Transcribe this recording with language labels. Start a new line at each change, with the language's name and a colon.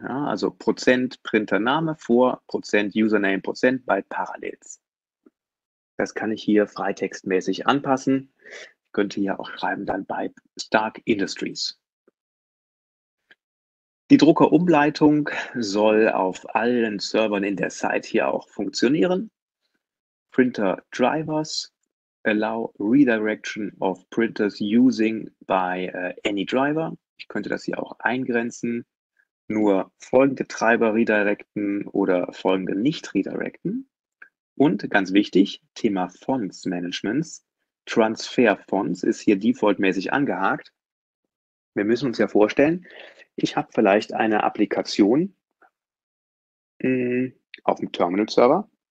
German: Ja, also Prozent Printername vor Prozent Username Prozent bei Parallels. Das kann ich hier freitextmäßig anpassen. Ich könnte hier auch schreiben, dann bei Stark Industries. Die Druckerumleitung soll auf allen Servern in der Site hier auch funktionieren.
English: Printer Drivers allow redirection of printers using by any driver.
German: Ich könnte das hier auch eingrenzen. Nur folgende Treiber redirecten oder folgende nicht redirecten. Und ganz wichtig, Thema Fonts Managements. Transfer Fonts ist hier defaultmäßig angehakt. Wir müssen uns ja vorstellen, ich habe vielleicht eine Applikation auf dem Terminal-Server.